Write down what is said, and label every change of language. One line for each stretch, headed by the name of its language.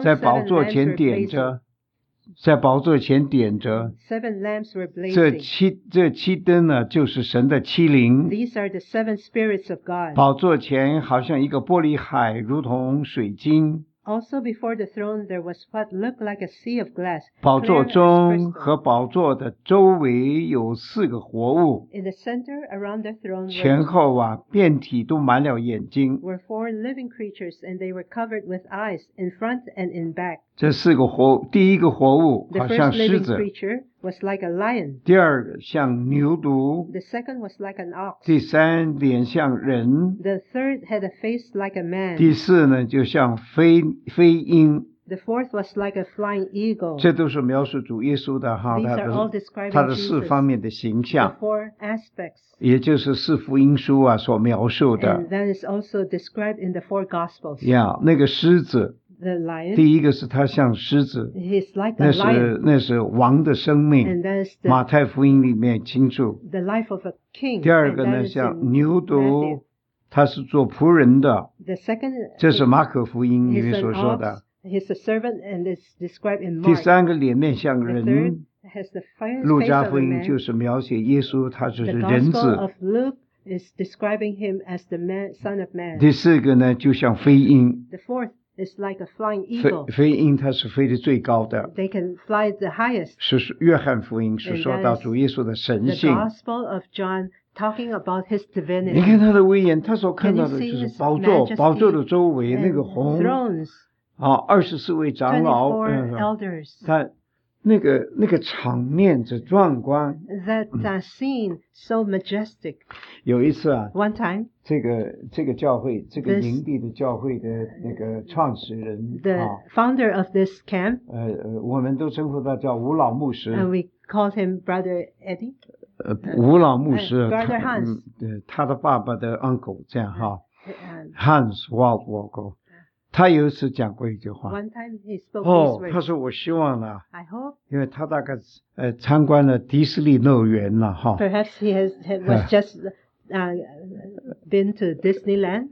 Chinese: 在宝座前点着在宝座前点着
English: seven lamps were blazing,
Chinese: 这七灯呢就是神的七灵
English: These are the seven spirits of God.
Chinese: 宝座前好像一个玻璃海如同水晶
English: also before the throne there was what looked like a sea of glass,
Chinese: 宝座中和宝座的周围有四个活物
English: in the center around the throne,
Chinese: 前后啊遍体都满了眼睛
English: were four living creatures and they were covered with eyes in front and in back.
Chinese: 这四个活第一个活物好像狮子
English: was、like、a lion,
Chinese: 第二个像牛犊
English: the second was、like、an ox,
Chinese: 第三脸像人
English: the third had a face、like、a man,
Chinese: 第四呢就像 飞鹰
English: the fourth was、like、a flying eagle,
Chinese: 这都是描述主耶稣的哈 他的四方面的形象
English: Jesus, the four aspects,
Chinese: 也就是四福音书、啊、所描述的
English: and that is also described in the four gospels.
Chinese: Yeah, 那个狮子
English: The lion,
Chinese: 第一个是他像狮子、
English: like、lion,
Chinese: 那是王的生命
English: the,
Chinese: 马太福音里面清楚
English: the life of a king,
Chinese: 第二个呢像牛犊他是做仆人的
English: the second,
Chinese: 这是马可福音里面所说的
English: he's a servant and it's described in Mark.
Chinese: 第三个脸面像人
English: the third has the face of a man,
Chinese: 路加福音就是描写耶稣他就是人子
English: the gospel of Luke is describing him as the man, son of man
Chinese: 第四个呢就像飞鹰
English: the fourthIt's like a flying eagle.
Chinese: 飞鹰它是飞的最高的。
English: They can fly the highest.
Chinese: 是约翰福音是说到主耶稣的神性。
English: The Gospel of John talking about his divinity.
Chinese: 你看他的威严，他所看到的就是宝座，宝座的周围那个红。
English: Thrones.
Chinese: 啊，二十四位长老。
English: 24 elders.
Chinese: 那个场面之壮观。
English: That scene so majestic.
Chinese: 有一次啊。
English: One time.
Chinese: 这个教会这个营地的教会的那个创始人
English: the founder of this camp
Chinese: 我们都称呼他叫吴老牧师
English: and we called him Brother Eddie
Chinese: 吴老牧师
English: Brother Hans
Chinese: 他的爸爸的 uncle 这样哈 Hans Waldwalker 他有一次讲过一句话。
English: One time he spoke this word.
Chinese: 他说我希望呢。
English: I hope.
Chinese: 因为他大概参观了迪士尼乐园了哈。
English: Perhaps he has was just been to Disneyland.